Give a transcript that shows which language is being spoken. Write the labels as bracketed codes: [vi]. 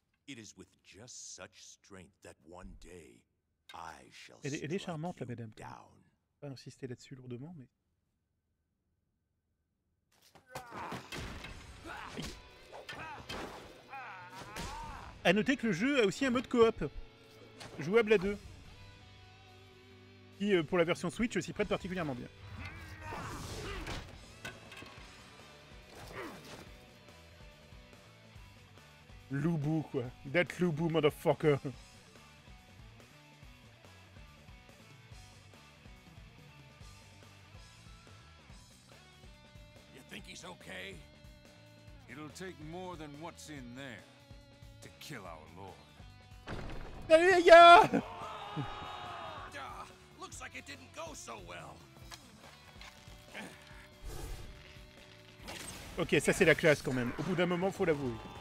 [en] It is with just such strength that one day I shall strike you down. [fr] Elle est charmante, la madame. Pas insister là-dessus lourdement, mais... A noter que le jeu a aussi un mode coop, jouable à deux. Qui, pour la version Switch, s'y prête particulièrement bien. Loubou, quoi. That loubou, motherfucker. [en] You think he's okay? It'll take more than what's in there to kill our lord. [fr] Allez, gars! [en] Looks like it didn't go so well. [fr] Ok, ça c'est la classe quand même. Au bout d'un moment, faut l'avouer.